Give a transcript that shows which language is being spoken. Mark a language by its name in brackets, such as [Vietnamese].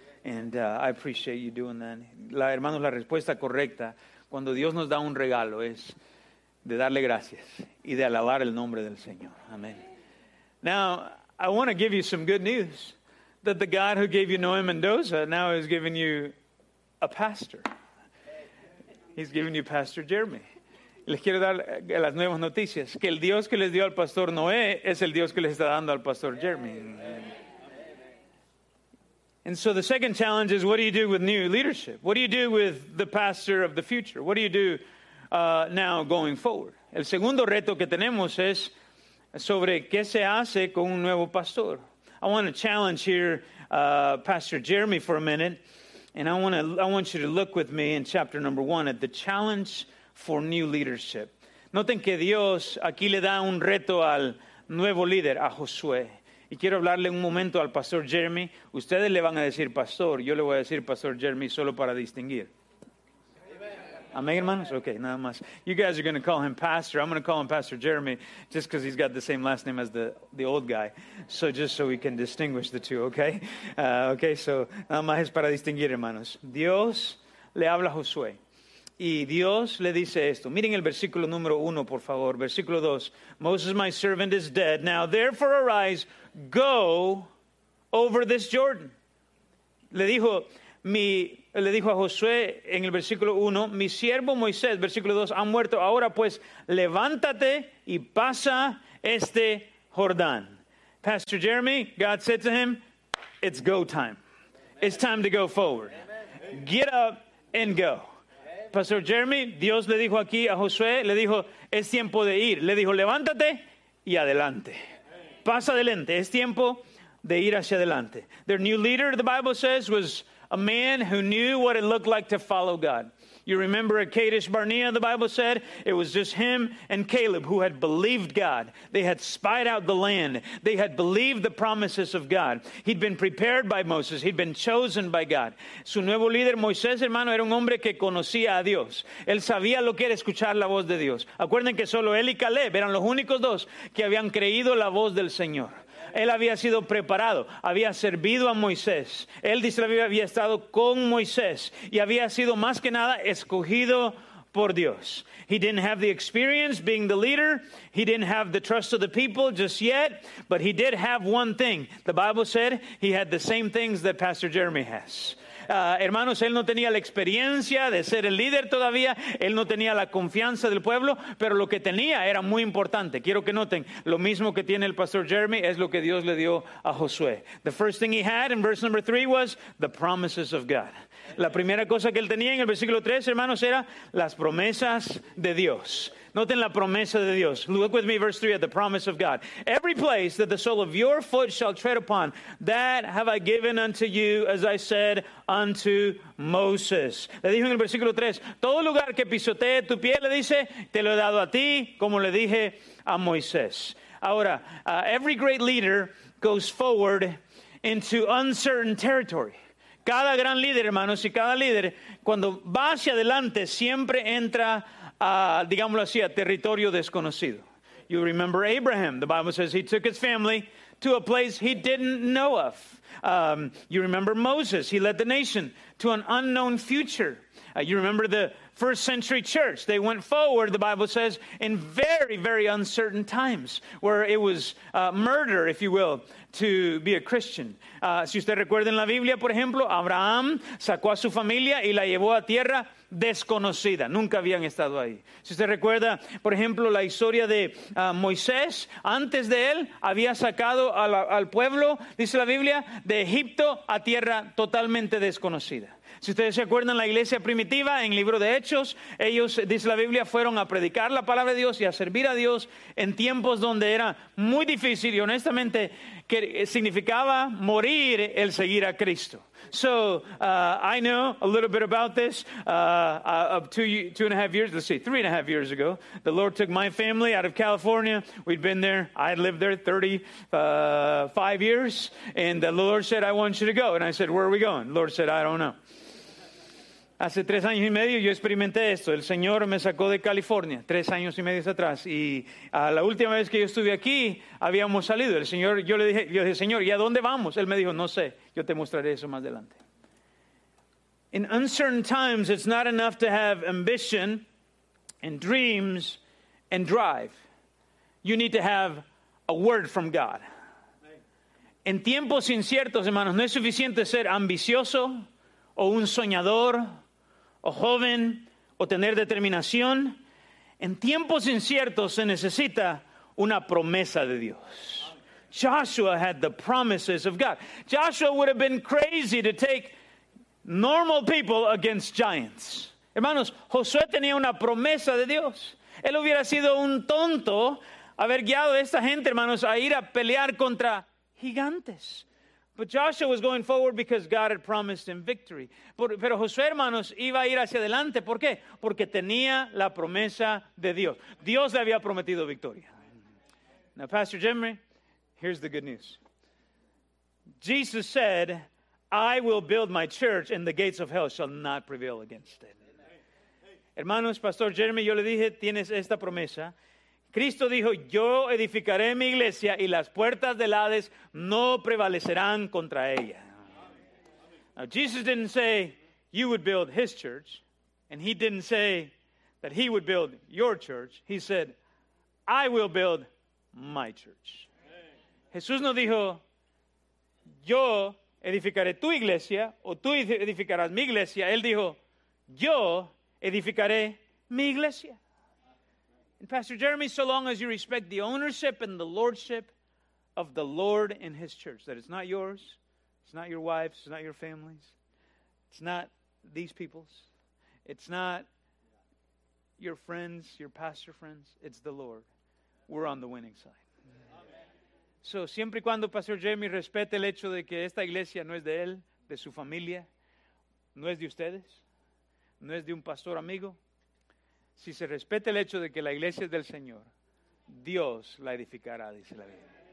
[English] And I appreciate you doing that. [Spanish] La, hermanos, la respuesta correcta cuando Dios nos da un regalo es de darle gracias y de alabar el nombre del Señor. Amén. [English] Now, I want to give you some good news that the God who gave you Noé Mendoza now has given you a pastor. He's given you Pastor Jeremy. [Spanish] Les quiero dar las nuevas noticias, que el Dios que les dio al Pastor Noé es el Dios que les está dando al Pastor Jeremy. [English] And so the second challenge is, what do you do with new leadership? What do you do with the pastor of the future? What do you do now going forward? [Spanish] El segundo reto que tenemos es sobre qué se hace con un nuevo pastor. [English] I want to challenge here Pastor Jeremy for a minute. And I want you to look with me in chapter number 1 at the challenge for new leadership. [Spanish] Noten que Dios aquí le da un reto al nuevo líder, a Josué. Y quiero hablarle un momento al Pastor Jeremy. Ustedes le van a decir Pastor, yo le voy a decir Pastor Jeremy solo para distinguir. Amén, hermanos. Okay, nada más. [English] You guys are going to call him Pastor. I'm going to call him Pastor Jeremy just because he's got the same last name as the old guy. So just so we can distinguish the two, okay? [Spanish] Okay, so nada más es para distinguir, hermanos. Dios le habla a Josué. Y Dios le dice esto. Miren el versículo número 1, por favor. Versículo 2. [English] Moses, my servant, is dead. Now, therefore, arise, go over this Jordan. [Spanish] Le dijo a Josué en el versículo 1, mi siervo Moisés, versículo 2, ha muerto. Ahora pues, levántate y pasa este Jordán. [English] Pastor Jeremy, God said to him, it's go time. It's time to go forward. Get up and go. [Spanish] Pastor Jeremy, Dios le dijo aquí a Josué, le dijo, es tiempo de ir. Le dijo, levántate y adelante. Pasa adelante, es tiempo de ir hacia adelante. [English] Their new leader, the Bible says, was a man who knew what it looked like to follow God. You remember at Kadesh Barnea, the Bible said, it was just him and Caleb who had believed God. They had spied out the land. They had believed the promises of God. He'd been prepared by Moses. He'd been chosen by God. [Spanish] Su nuevo líder, Moisés, hermano, era un hombre que conocía a Dios. Él sabía lo que era escuchar la voz de Dios. Acuerden que solo él y Caleb eran los únicos dos que habían creído la voz del Señor. Él había sido preparado, había servido a Moisés. Él, dice la Biblia, había estado con Moisés y había sido más que nada escogido por Dios. [English] He didn't have the experience being the leader. He didn't have the trust of the people just yet, but he did have one thing. The Bible said he had the same things that Pastor Jeremy has. [Spanish] Hermanos, él no tenía la experiencia de ser el líder todavía. Él no tenía la confianza del pueblo, pero lo que tenía era muy importante. Quiero que noten, lo mismo que tiene el Pastor Jeremy es lo que Dios le dio a Josué. [English] The first thing he had in verse number 3 was the promises of God. [Spanish] La primera cosa que él tenía en el versículo 3, hermanos, era las promesas de Dios. Noten la promesa de Dios. [English] Look with me, verse 3, at the promise of God. Every place that the sole of your foot shall tread upon, that have I given unto you, as I said unto Moses. [Spanish] Le dijo en el versículo 3, todo lugar que pisotee tu pie, le dice, te lo he dado a ti, como le dije a Moisés. Ahora, [English] every great leader goes forward into uncertain territory. [Spanish] Cada gran líder, hermanos, y cada líder, cuando va hacia adelante, siempre entra a, digámoslo así, a territorio desconocido. [English] You remember Abraham. The Bible says he took his family to a place he didn't know of. You remember Moses. He led the nation to an unknown future. You remember the first century church. They went forward, the Bible says, in very, very uncertain times, where it was murder, if you will, to be a Christian. [Spanish] Si usted recuerda en la Biblia, por ejemplo, Abraham sacó a su familia y la llevó a tierra desconocida. Nunca habían estado ahí. Si usted recuerda, por ejemplo, la historia de Moisés, antes de él había sacado al pueblo, dice la Biblia, de Egipto a tierra totalmente desconocida. Si ustedes se acuerdan, la iglesia primitiva, en el libro de Hechos, ellos, dice la Biblia, fueron a predicar la palabra de Dios y a servir a Dios en tiempos donde era muy difícil y honestamente que significaba morir el seguir a Cristo. [English] So, I know a little bit about this. Three and a half years ago, the Lord took my family out of California. We'd been there. I had lived there 35 years. And the Lord said, I want you to go. And I said, where are we going? The Lord said, I don't know. [Spanish] Hace 3 años y medio yo experimenté esto. El Señor me sacó de California, 3 años y medio atrás. Y la última vez que yo estuve aquí, habíamos salido. El Señor, yo le dije, Señor, ¿y a dónde vamos? Él me dijo, no sé, yo te mostraré eso más adelante. [English] In uncertain times, it's not enough to have ambition and dreams and drive. You need to have a word from God. [Spanish] En tiempos inciertos, hermanos, no es suficiente ser ambicioso o un soñador o joven o tener determinación. En tiempos inciertos se necesita una promesa de Dios. [English] Joshua had the promises of God. Joshua would have been crazy to take normal people against giants. [Spanish] Hermanos, Josué tenía una promesa de Dios. Él hubiera sido un tonto haber guiado a esta gente, hermanos, a ir a pelear contra gigantes. [English] But Joshua was going forward because God had promised him victory. [Spanish] Pero Josué, hermanos, iba a ir hacia adelante. ¿Por qué? Porque tenía la promesa de Dios. Dios le había prometido victoria. [English] Now, Pastor Jimmy, here's the good news. Jesus said, I will build my church and the gates of hell shall not prevail against it. [Spanish] Hermanos, Pastor Jeremy, yo le dije, tienes esta promesa. Cristo dijo, yo edificaré mi iglesia y las puertas del Hades no prevalecerán contra ella. [English] Now, Jesus didn't say you would build his church, and he didn't say that he would build your church. He said, I will build my church. [Spanish] Jesús no dijo, yo edificaré tu iglesia o tú edificarás mi iglesia. Él dijo, yo edificaré mi iglesia. [English] And Pastor Jeremy, so long as you respect the ownership and the lordship of the Lord and his church, that it's not yours, it's not your wife's, it's not your family's, it's not these people's, it's not your friends, your pastor friends, it's the Lord. We're on the winning side. So, [Spanish] siempre y cuando Pastor Jeremy respete el hecho de que esta iglesia no es de él, de su familia, no es de ustedes, no es de un pastor amigo, si se respete el hecho de que la iglesia es del Señor, Dios la edificará, dice la Biblia.